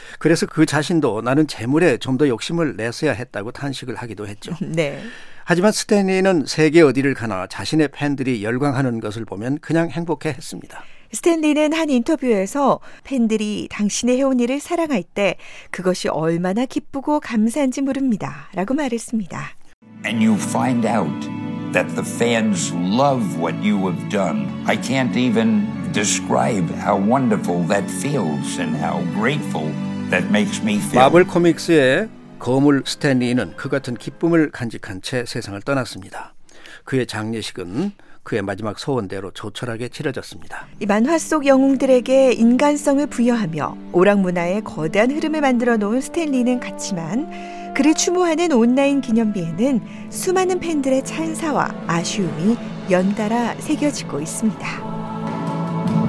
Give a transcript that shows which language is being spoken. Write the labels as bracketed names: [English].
[Korean] 그래서 그 자신도 나는 재물에 좀 더 욕심을 냈어야 했다고 탄식을 하기도 했죠. 네. 하지만 스탠리는 세계 어디를 가나 자신의 팬들이 열광하는 것을 보면 그냥 행복해했습니다. 스탠리는 한 인터뷰에서 팬들이 당신의 해온 일을 사랑할 때 그것이 얼마나 기쁘고 감사한지 모릅니다. 라고 말했습니다. [English] And you find out that the fans love what you have done. I can't even describe how wonderful that feels and how grateful that makes me feel. [Korean] 마블 코믹스의 거물 스탠리는 그 같은 기쁨을 간직한 채 세상을 떠났습니다. 그의 장례식은 그의 마지막 소원대로 조촐하게 치러졌습니다. 이 만화 속 영웅들에게 인간성을 부여하며 오락 문화의 거대한 흐름을 만들어 놓은 스탠리는 갔지만 그를 추모하는 온라인 기념비에는 수많은 팬들의 찬사와 아쉬움이 연달아 새겨지고 있습니다.